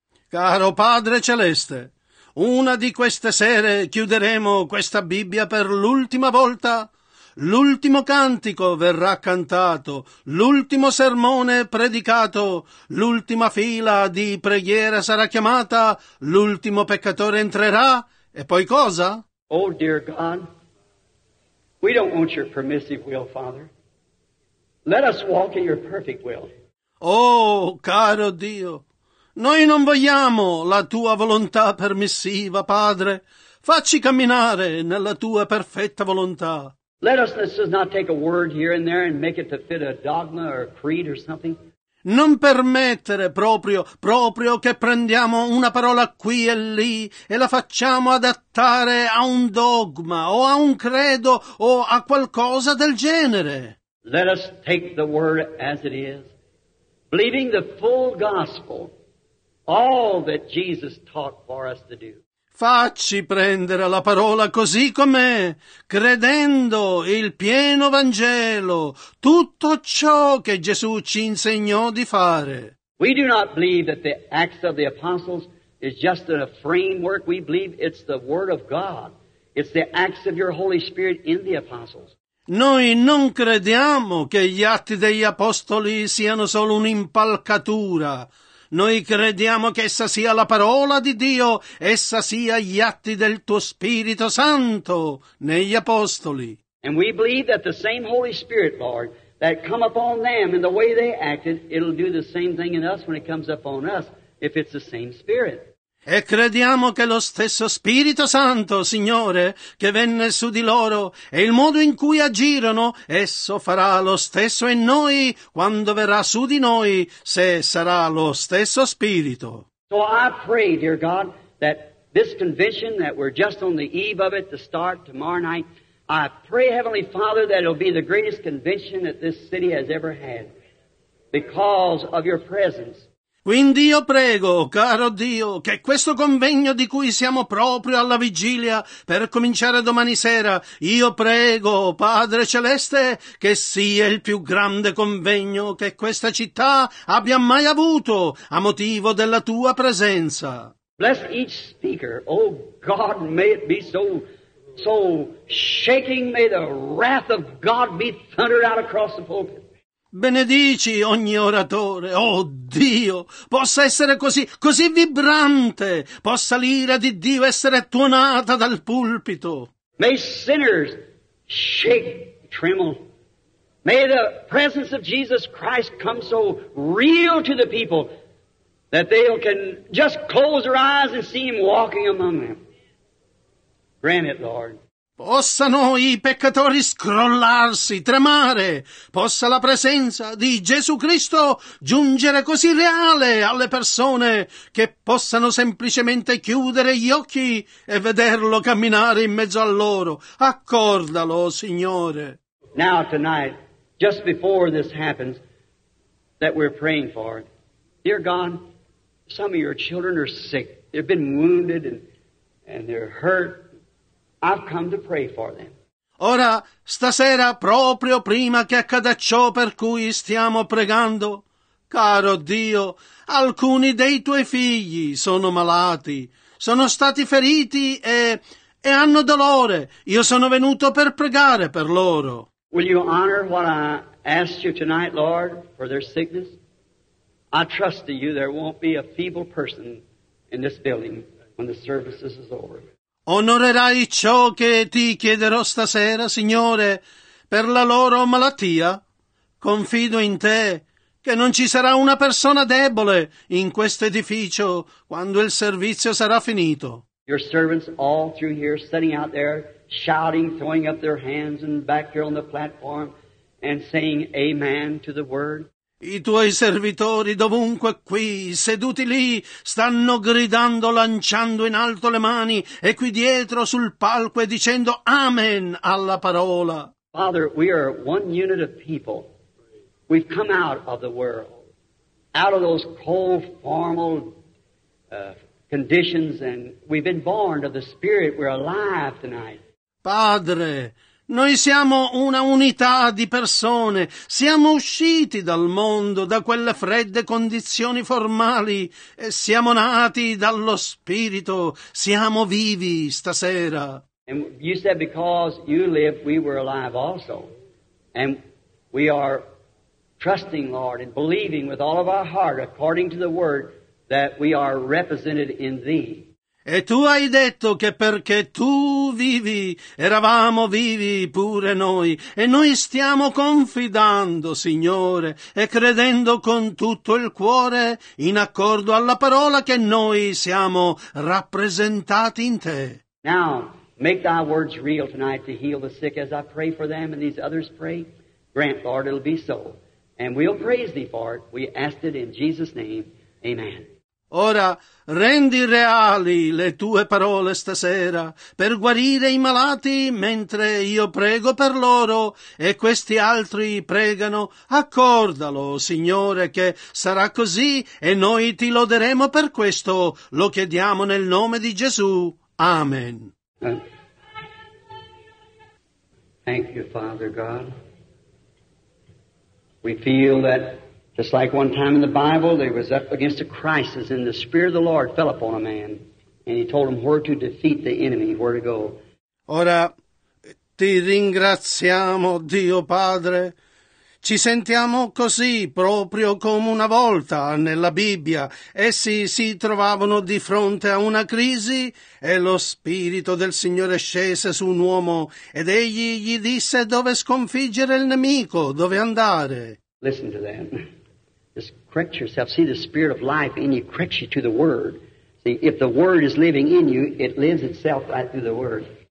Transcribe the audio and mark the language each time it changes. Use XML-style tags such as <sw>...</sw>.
<it>Caro Padre Celeste, una di queste sere chiuderemo questa Bibbia per l'ultima volta. L'ultimo cantico verrà cantato, l'ultimo sermone predicato, l'ultima fila di preghiera sarà chiamata, l'ultimo peccatore entrerà, e poi cosa?</it> <en>Oh, dear God, we don't want your permissive will, Father. Let us walk in your perfect will.</en> <it>Oh, caro Dio, noi non vogliamo la tua volontà permissiva, Padre. Facci camminare nella tua perfetta volontà.</it> <en>Let us not take a word here and there and make it to fit a dogma or a creed or something.</en> <it>Non permettere proprio che prendiamo una parola qui e lì e la facciamo adattare a un dogma o a un credo o a qualcosa del genere.</it> <en>Let us take the word as it is, believing the full gospel, all that Jesus taught for us to do.</en> <it>Facci prendere la parola così com'è, credendo il pieno Vangelo, tutto ciò che Gesù ci insegnò di fare.</it> <en>We do not believe that the Acts of the Apostles is just a framework. We believe it's the Word of God. It's the Acts of your Holy Spirit in the Apostles.</en> <it>Noi non crediamo che gli Atti degli Apostoli siano solo un'impalcatura. Noi crediamo che essa sia la parola di Dio, essa sia gli atti del tuo Spirito Santo negli Apostoli.</it> <en>And we believe that the same Holy Spirit, Lord, that come upon them in the way they acted, it'll do the same thing in us when it comes upon us, if it's the same Spirit.</en> <it>E crediamo che lo stesso Spirito Santo, Signore, che venne su di loro, e il modo in cui agirono, esso farà lo stesso in noi, quando verrà su di noi, se sarà lo stesso Spirito.</it> <en>So I pray, dear God, that this convention, that we're just on the eve of it, to start tomorrow night, I pray, Heavenly Father, that it'll be the greatest convention that this city has ever had, because of your presence.</en> <it>Quindi io prego, caro Dio, che questo convegno di cui siamo proprio alla vigilia, per cominciare domani sera, io prego, Padre Celeste, che sia il più grande convegno che questa città abbia mai avuto a motivo della tua presenza.</it> <en>Bless each speaker. Oh, God, may it be so shaking. May the wrath of God be thundered out across the pulpit.</en> <it>Benedici ogni oratore, oh Dio, possa essere così, così vibrante, possa l'ira di Dio essere tuonata dal pulpito.</it> <en>May sinners shake, tremble. May the presence of Jesus Christ come so real to the people that they can just close their eyes and see Him walking among them. Grant it, Lord.</en> <it>Possano i peccatori scrollarsi, tremare, possa la presenza di Gesù Cristo giungere così reale alle persone che possano semplicemente chiudere gli occhi e vederlo camminare in mezzo a loro. Accordalo, Signore.</it> <en>Now tonight, just before this happens, that we're praying for, dear God, some of your children are sick. They've been wounded and they're hurt. I've come to pray for them.</en> <it>Ora, stasera, proprio prima che accada ciò per cui stiamo pregando, caro Dio, alcuni dei tuoi figli sono malati, sono stati feriti e hanno dolore. Io sono venuto per pregare per loro.</it> <en>Will you honor what I asked you tonight, Lord, for their sickness? I trust in you there won't be a feeble person in this building when the service is over.</en> <it>Onorerai ciò che ti chiederò stasera, Signore, per la loro malattia? Confido in te che non ci sarà una persona debole in questo edificio quando il servizio sarà finito.</it> <en>Your servants all through here sitting out there shouting, throwing up their hands and back here on the platform and saying amen to the word.</en> <it>I tuoi servitori dovunque qui, seduti lì, stanno gridando, lanciando in alto le mani e qui dietro sul palco e dicendo amen alla parola.</it> <en>Father, we are one unit of people. We've come out of the world, out of those cold, formal conditions, and we've been born of the Spirit. We're alive tonight.</en> <it>Padre, noi siamo una unità di persone, siamo usciti dal mondo, da quelle fredde condizioni formali, e siamo nati dallo Spirito, siamo vivi stasera.</it> <en>And you said because you lived, we were alive also. And we are trusting, Lord, and believing with all of our heart, according to the Word, that we are represented in Thee.</en> <it>E tu hai detto che perché tu vivi, eravamo vivi pure noi, e noi stiamo confidando, Signore, e credendo con tutto il cuore, in accordo alla parola che noi siamo rappresentati in te.</it> <en>Now, make thy words real tonight to heal the sick as I pray for them and these others pray. Grant, Lord, it'll be so. And we'll praise thee for it. We ask it in Jesus' name. Amen.</en> <it>Ora, rendi reali le tue parole stasera per guarire i malati mentre io prego per loro e questi altri pregano. Accordalo, Signore, che sarà così e noi ti loderemo per questo. Lo chiediamo nel nome di Gesù. Amen.</it> <en>Thank you, Father God. We feel that just like one time in the Bible, they was up against a crisis, and the Spirit of the Lord fell upon a man, and he told him where to defeat the enemy, where to go.</en> <it>Ora, ti ringraziamo, Dio Padre. Ci sentiamo così, proprio come una volta nella Bibbia. Essi si trovavano di fronte a una crisi, e lo Spirito del Signore scese su un uomo, ed egli gli disse dove sconfiggere il nemico, dove andare.</it> <en>Listen to that. Just correct yourself. See, the Spirit of life in you corrects you to the Word. See, if the Word is living in you, it lives itself right through the Word.</en>